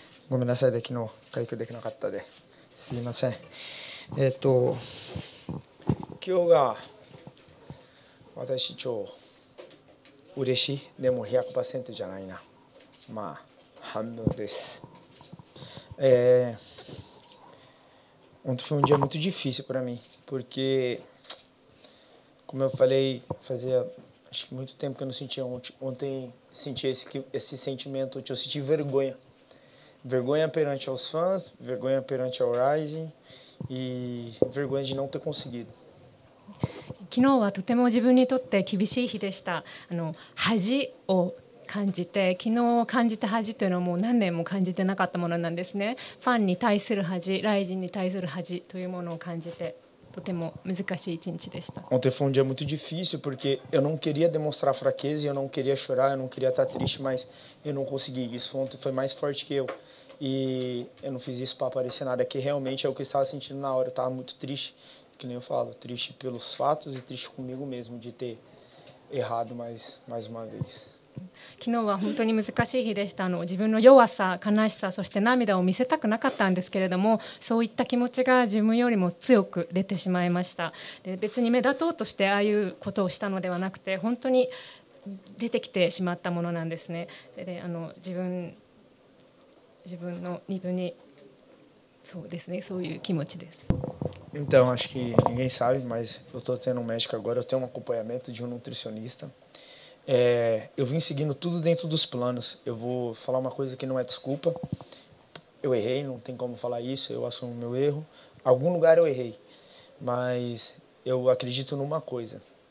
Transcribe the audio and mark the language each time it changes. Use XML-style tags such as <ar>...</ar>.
<ja>ごめんなさいで昨日回復できなかったですいません。今日が私超嬉しい、でも 100% じゃないな、まあ半分です。</ja> <pt>Ontem foi dia muito difícil para mim, porque, como eu falei, fazia acho que muito tempo que eu não sentia ontem senti esse sentimento, eu senti vergonha. Vergonha perante aos fãs, vergonha perante ao Rising e vergonha de não ter conseguido.</pt> <ja>昨日はとても自分にとって厳しい日でした。恥を感じて、昨日感じた恥というのはもう何年も感じてなかったものなんですね。ファンに対する恥、ライジンに対する恥というものを感じて、とても難しい一日でした。</ja> <pt>Ontem foi dia muito difícil porque eu não queria demonstrar fraqueza, eu não queria chorar, eu não queria estar triste, mas eu não consegui. Isso ontem foi mais forte que eu e eu não fiz isso para aparecer nada. Que realmente é o que estava sentindo na hora. Eu estava muito triste, que nem eu falo, triste pelos fatos e triste comigo mesmo de ter errado mais uma vez.</pt> <ja>昨日は本当に難しい日でした。自分の弱さ、悲しさ、そして涙を見せたくなかったんですけれども、そういった気持ちが自分よりも強く出てしまいました。で、別に目立とうとしてああいうことをしたのではなくて、本当に出てきてしまったものなんですね。で、自分の二分に、そうですね、そういう気持ちです。</ja> <pt>Então, acho que ninguém sabe, mas eu estou tendo um médico agora, eu tenho um acompanhamento de um nutricionista. Eu vim seguindo tudo dentro dos planos. Eu vou falar uma coisa que não é desculpa. Eu errei, não tem como falar isso, eu assumo meu erro. Algum lugar eu errei, mas eu acredito numa coisa.</pt>